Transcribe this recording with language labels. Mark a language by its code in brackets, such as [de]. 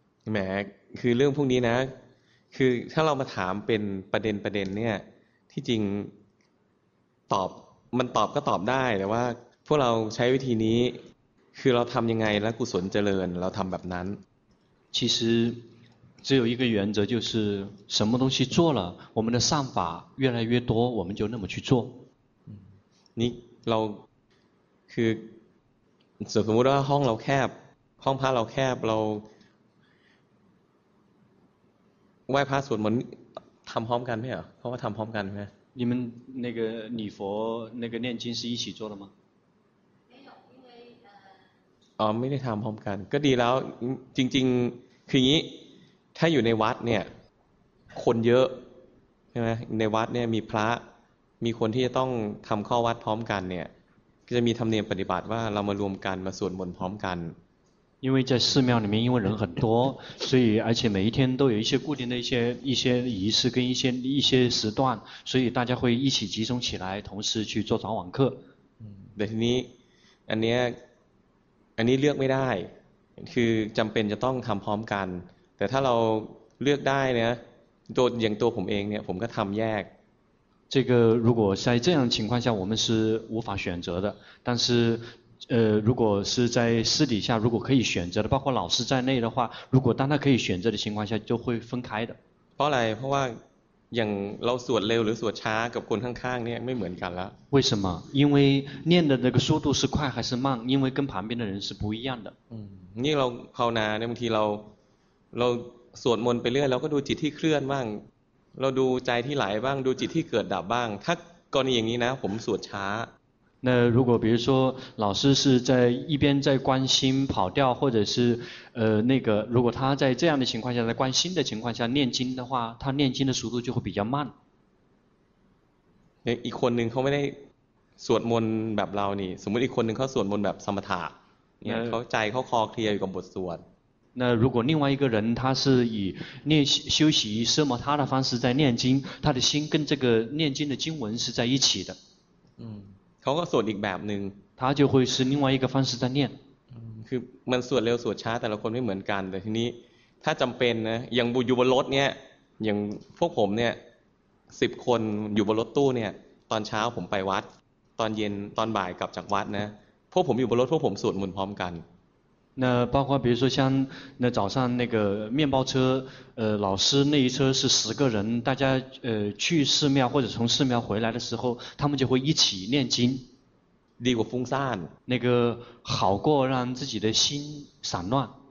[th] แหมคือเรื่องพวกนี้นะคือถ้าเรามาถามเป็นประเด็นประเด็นเนี่ยที่จริงตอบมันตอบก็ตอบได้แต่ว่าพวกเราใช้วิธีนี้คือเราทำยังไงแล้วกุศลเจริญเราทำแบบนั้น [zh] 其实只有一个原则，就是什么东西做了，我们的善法越来越多，我们就那么去做。你，我， [th] คือ，สมมติว่าห้องเราแคบ，ห้องพระเราแคบ，เราไหว้พระสวดมนต์ทำพร้อมกันไหมอ่ะ？เพราะว่าทำพร้อมกันใช่ไหม？ [zh] 你们那个礼佛那个念经是一起做的吗？没有，因为。哦， [th] ไม่ได้ทำพร้อมกัน。ก็ดีแล้ว。 จริงๆ คืออย่างนี้ถ้าอยู่ในวัดเนี่ยคนเยอะใช่ไหมในวัดเนี่ยมีพระมีคนที่จะต้องทำข้อวัดพร้อมกันเนี่ยก็จะมีธรรมเนียมปฏิบัติว่าเรามารวมกันมาสวดมนต์พร้อมกัน [zh] 因为在寺庙里面因为人很多所以而且每一天都有一些固定的一些仪式跟一些时段所以大家会一起集中起来同时去做早晚课 [th] แต่ทีนี้อันนี้เลือกไม่ได้คือจำเป็นจะต้องทำพร้อมกันแต่ถ้าเราเลือกได้นะตัวอย่างตัวผมเองเนี่ยผมก็ทำแยก [zh] 这个如果在这样情况下我们是无法选择的但是如果是在私底下如果可以选择的包括老师在内的话如果当他可以选择的情况下就会分开的 [th] เพราะอะไรเพราะว่าอย่างเราสวดเร็วหรือสวดช้ากับคนข้างๆเนี่ยไม่เหมือนกันละ [zh] 为什么因为念的那个速度是快还是慢因为跟旁边的人是不一样的 [th] นี่เราภาวนาในบางทีเราสวดมนต์ไปเรื่อยแล้วก็ดูจิตที่เคลื่อนบ้างเราดูใจที่ไหลบ้างดูจิตที่เกิดดับบ้างถ้ากรณีอย่างนี้นะผมสวดช้า [zh] 那如果比如说老师是在一边在观心跑掉或者是那个如果他在这样的情况下在观心的情况下念经的话他念经的速度就会比较慢 [th] อีกคนหนึ่งเขาไม่ได้สวดมนต์แบบเรานี่สมมติอีกคนหนึ่งเขาสวดมนต์แบบสมถะเนี่ยเขาใจเขาคลอเคลียอยู่กับบทสวด [zh] 那如果另外一个人他是以念修习奢摩他的方式在念经他的心跟这个念经的经文是在一起的 [th] เขาก็สวดอีกแบบหนึ่ง [zh] 他就会是另外一个方式在念 [th] คือมันสวดเร็วสวดช้าแต่ละคนไม่เหมือนกันแต่ทีนี้ถ้าจำเป็นนะอย่างอยู่บนรถเนี่ยอย่างพวกผมเนี่ย10คนอยู่บนรถตู้เนี่ยตอนเช้าผมไปวัดตอนเย็นตอนบ่ายกลับจากวัดนะพวกผมอยู่บนรถพวกผมสวดมนต์พร้อมกัน [zh] 那包括比如说像那早上那个面包车老师那一车是十个人大家去寺庙或者从寺庙回来的时候他们就会一起念经离我风散那个好过让自己的心散乱